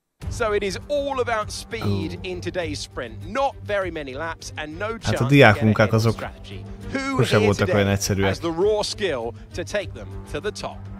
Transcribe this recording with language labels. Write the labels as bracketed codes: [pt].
[en] So it is all about speed in today's sprint. Not very many laps and no chance. [hu] Hát a diák munkák azok sose voltak olyan egyszerűek. [en] The raw skill to take them to the top.